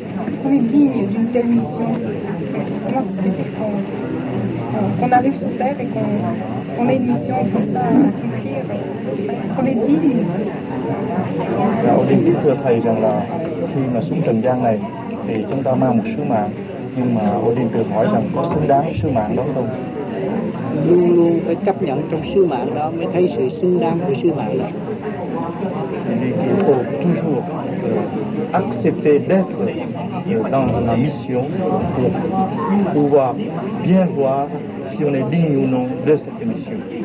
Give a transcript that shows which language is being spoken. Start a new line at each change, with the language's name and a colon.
French: Est-ce qu'on est digne d'une telle mission? Comment se fait-il qu'on arrive sur Terre et qu'on ait une mission comme ça à accomplir? Est-ce qu'on est digne? Alors, je dis à
Vietnamese: Thầy rằng là khi mà xuống trần gian này thì chúng ta mang một sứ mạng, nhưng mà Odin tự hỏi rằng có xứng đáng sứ mạng đó không? Luôn luôn phải chấp nhận trong sứ mạng đó mới thấy sự xứng đáng của sứ mạng đó.
French: Il faut toujours accepter d'être dans la mission pour pouvoir bien voir si on est digne ou non de cette mission.